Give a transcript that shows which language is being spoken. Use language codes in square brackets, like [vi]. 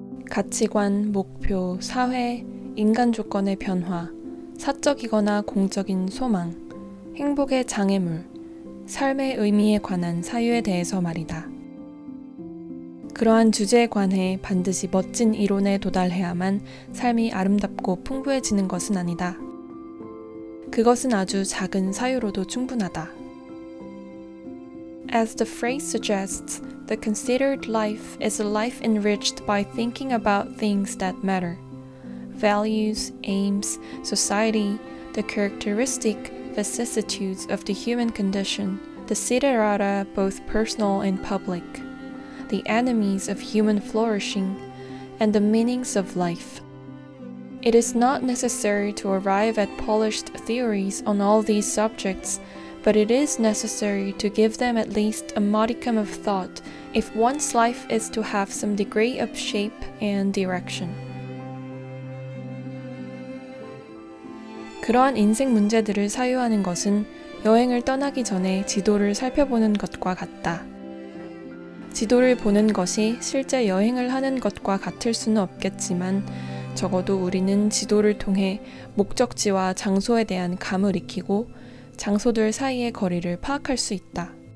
[ko] 가치관, 목표, 사회, 인간 조건의 변화, 사적이거나 공적인 소망, 행복의 장애물, 삶의 의미에 관한 사유에 대해서 말이다. 그러한 주제에 관해 반드시 멋진 이론에 도달해야만 삶이 아름답고 풍부해지는 것은 아니다. 그것은 아주 작은 사유로도 충분하다. [en] As the phrase suggests, the considered life is a life enriched by thinking about things that matter. Values, aims, society, the characteristic vicissitudes of the human condition, the desiderata both personal and public, the enemies of human flourishing, and the meanings of life. It is not necessary to arrive at polished theories on all these subjects, but it is necessary to give them at least a modicum of thought if one's life is to have some degree of shape and direction. [ko] 그러한 인생 문제들을 사유하는 것은 여행을 떠나기 전에 지도를 살펴보는 것과 같다. 지도를 보는 것이 실제 여행을 하는 것과 같을 수는 없겠지만 적어도 우리는 지도를 통해 목적지와 장소에 대한 감을 익히고 장소들 사이의 거리를 파악할 수 있다.